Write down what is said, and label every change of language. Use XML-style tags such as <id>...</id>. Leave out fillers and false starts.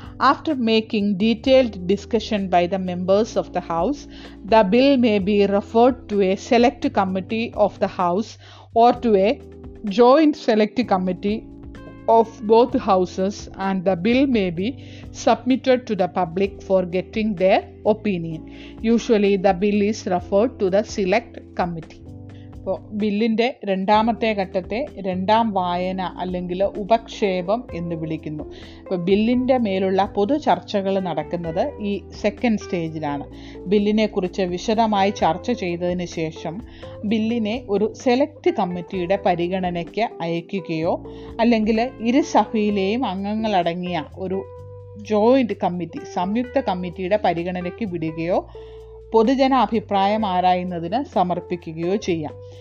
<en>After making detailed discussion by the members of the house, the bill may be referred to a select committee of the house or to a joint select committee of both houses, and the bill may be submitted to the public for getting their opinion. Usually the bill is referred to the select committee.</en> <ml>അപ്പോൾ ബില്ലിൻ്റെ രണ്ടാമത്തെ ഘട്ടത്തെ രണ്ടാം വായന അല്ലെങ്കിൽ ഉപക്ഷേപം എന്ന് വിളിക്കുന്നു. അപ്പോൾ ബില്ലിൻ്റെ മേലുള്ള പൊതു ചർച്ചകൾ നടക്കുന്നത് ഈ സെക്കൻഡ് സ്റ്റേജിലാണ്. ബില്ലിനെക്കുറിച്ച് വിശദമായി ചർച്ച ചെയ്തതിന് ശേഷം ബില്ലിനെ ഒരു സെലക്ട് കമ്മിറ്റിയുടെ പരിഗണനയ്ക്ക് അയക്കുകയോ അല്ലെങ്കിൽ ഇരുസഭയിലെയും അംഗങ്ങളടങ്ങിയ ഒരു ജോയിൻ്റ് കമ്മിറ്റി സംയുക്ത കമ്മിറ്റിയുടെ പരിഗണനയ്ക്ക് വിടുകയോ പൊതുജന അഭിപ്രായം ആരായുന്നതിന് സമർപ്പിക്കുകയോ ചെയ്യാം.</ml>